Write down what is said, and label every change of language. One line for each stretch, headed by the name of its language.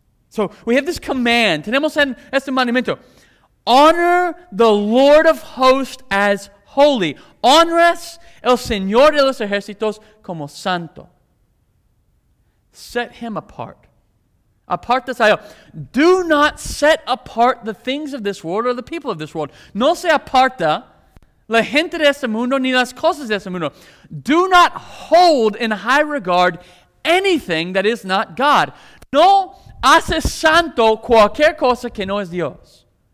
English: So we have this command.
Spanish: Tenemos este mandamiento.
English: Honor the Lord of hosts as holy.
Spanish: Honras el Señor de los ejércitos como santo.
English: Set him apart.
Spanish: Apartas a él.
English: Do not set apart the things of this world or the people of this world.
Spanish: No se aparta la gente de este mundo ni las cosas de este mundo.
English: Do not hold in high regard anything that is not God.
Spanish: No hace santo cualquier cosa que no es Dios.